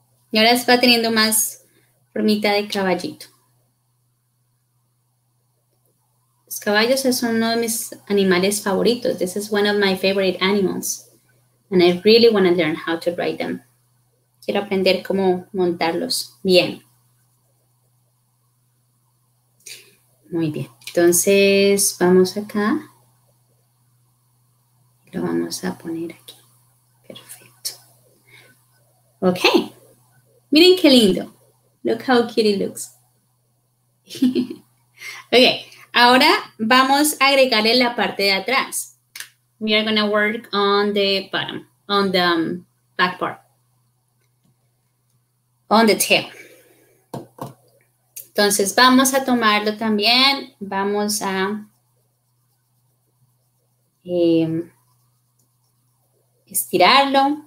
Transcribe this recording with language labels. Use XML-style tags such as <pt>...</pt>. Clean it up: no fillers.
<es>Y ahora se va teniendo más formita de caballito. Los caballos son uno de mis animales favoritos.</es> <en>This is one of my favorite animals. And I really want to learn how to ride them.</en> <es>Quiero aprender cómo montarlos bien. Muy bien. Entonces, vamos acá. Lo vamos a poner aquí. Perfecto. Ok. Miren qué lindo.</es> <en>Look how cute it looks.</en> <es>Ok, ahora vamos a agregarle la parte de atrás.</es> <en>We are going to work on the bottom, on the back part, on the tail.</en> <es>Entonces, vamos a tomarlo también. Vamos a estirarlo.</es>